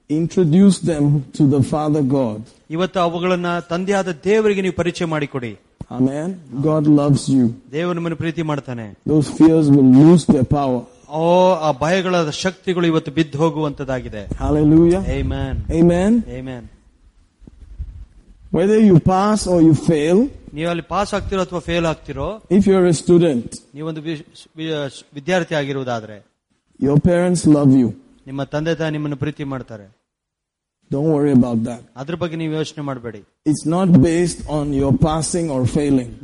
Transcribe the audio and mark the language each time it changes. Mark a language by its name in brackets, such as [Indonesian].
[English] Introduce them to the father God. [Kannada] ಇವತ್ತು ಅವುಗಳನ್ನು ತಂದೆಯಾದ ದೇವರಿಗೆ ನೀವು ಪರಿಚಯ ಮಾಡಿಕೊಡಿ. [English] Amen. God loves you. [Kannada] ದೇವರು ನಿಮ್ಮನ್ನು ಪ್ರೀತಿ ಮಾಡ್ತಾನೆ. [English] Those fears will lose their power. [Kannada] ಓ, ಆ ಭಯಗಳ ಶಕ್ತಿಗಳು ಇವತ್ತು ಬಿದ್ದು ಹೋಗುವಂತದಾಗಿದೆ. [English] Hallelujah, amen, amen, amen. Whether you pass or you fail, [Kannada] ನೀವು ಅಲ್ಲಿ ಪಾಸ್ ಆಗ್ತಿರೋ ಅಥವಾ ಫೇಲ್ ಆಗ್ತಿರೋ, [English] if you are a student, [Kannada] ನೀವೊಂದು ವಿದ್ಯಾರ್ಥಿ ಆಗಿರುವುದಾದ್ರೆ, [English] your parents love you, [Kannada] ನಿಮ್ಮ ತಂದೆ ತಾಯಿ ನಿಮ್ಮನ್ನು ಪ್ರೀತಿ ಮಾಡ್ತಾರೆ. [English] Don't worry about that. [Kannada] ಅದ್ರ ಬಗ್ಗೆ ನೀವು ಯೋಚನೆ ಮಾಡಬೇಡಿ. [English] It's not based on your passing or failing.